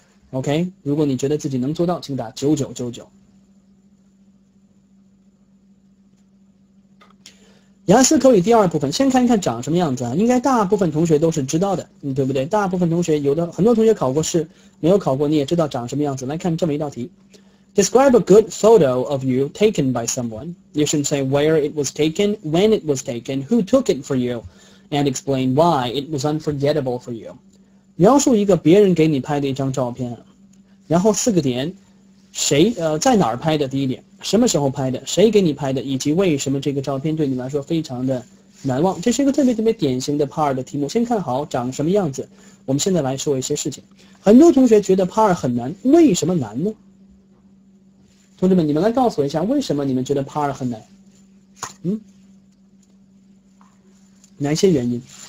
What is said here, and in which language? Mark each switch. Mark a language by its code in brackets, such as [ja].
[zh] OK， 如果你觉得自己能做到请打9999。雅思口语第二部分先看一看长什么样子啊，应该大部分同学都是知道的，对不对？大部分同学有的很多同学考过试没有考过你也知道长什么样子。来看这么一道题， [en] Describe a good photo of you taken by someone. You should say where it was taken, when it was taken, who took it for you, and explain why it was unforgettable for you. [zh] 描述一个别人给你拍的一张照片，然后4个点，谁在哪儿拍的，第一点，什么时候拍的，谁给你拍的，以及为什么这个照片对你来说非常的难忘，这是一个特别特别典型的 PAR 的题目。先看好长什么样子，我们现在来说一些事情。很多同学觉得 PAR 很难，为什么难呢？同志们，你们来告诉我一下，为什么你们觉得 PAR 很难？嗯，哪些原因？